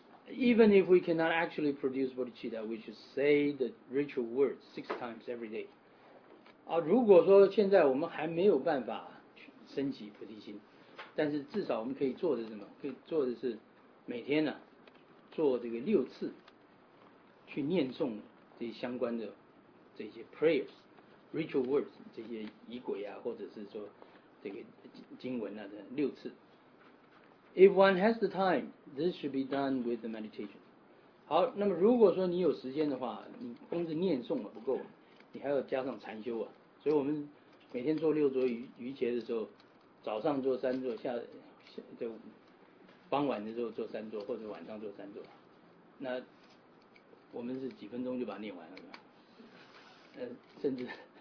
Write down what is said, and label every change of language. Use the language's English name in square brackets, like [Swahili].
[English] Even if we cannot actually produce bodhicitta, we should say the ritual words six times every day. [Chinese] 啊，如果说现在我们还没有办法去升起菩提心，但是至少我们可以做的是什么？可以做的是每天呢、啊。做这个六次去念诵这相关的这些 [English] prayers ritual words [Chinese] 这些仪轨啊，或者是说这个经文啊的六次。 If one has the time, this should be done with the meditation. 好，那么如果说你有时间的话，你光是念诵不够，你还要加上禅修啊。所以我们每天做六座瑜伽的时候，早上做三座，就傍晚的时候做三座，或者晚上做三座。那我们是几分钟就把它念完了，是吧？